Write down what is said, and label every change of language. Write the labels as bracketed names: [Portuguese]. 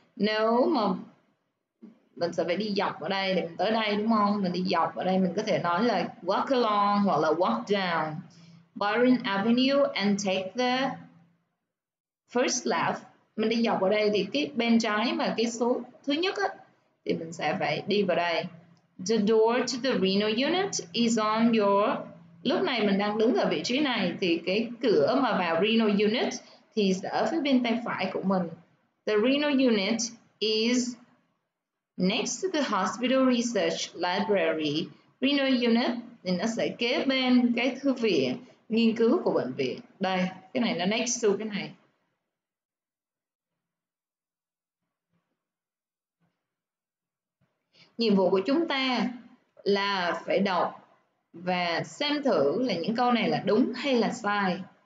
[Vietnamese] Nếu mà mình sẽ phải đi dọc ở đây để mình tới đây đúng không? Mình đi dọc ở đây mình có thể nói là [English] walk along [Vietnamese] hoặc là [English] walk down Byron Avenue and take the first left. [Vietnamese] Mình đi dọc vào đây thì cái bên trái mà cái số thứ nhất á, thì mình sẽ phải đi vào đây. [English] The door to the Reno unit is on your... [Vietnamese] Lúc này mình đang đứng ở vị trí này thì cái cửa mà vào Reno unit thì ở phía bên tay phải của mình. [English] The Reno unit is next to the hospital research library. [Vietnamese] Reno unit thì nó sẽ kế bên cái thư viện nghiên cứu của bệnh viện. Đây, cái này nó next to cái này. Nhiệm vụ của chúng ta là phải đọc và xem thử là những câu này là đúng hay là sai.